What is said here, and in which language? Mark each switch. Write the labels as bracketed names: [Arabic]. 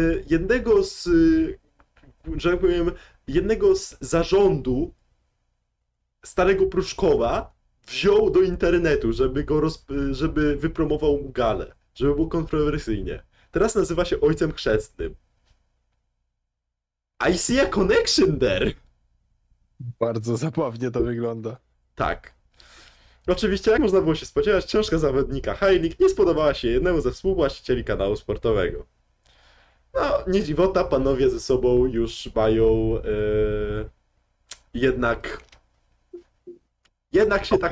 [Polish] Jednego z, że tak powiem, jednego z zarządu starego Pruszkowa wziął do internetu, żeby wypromował mu galę, żeby było kontrowersyjnie. Teraz nazywa się ojcem chrzestnym. [English] I see a connection there. [Polish] Bardzo zabawnie to wygląda. Tak. Oczywiście, jak można było się spodziewać, książka zawodnika Hajnik nie spodobała się jednemu ze współwłaścicieli kanału sportowego. No, nie dziwota, panowie ze sobą już mają jednak się tak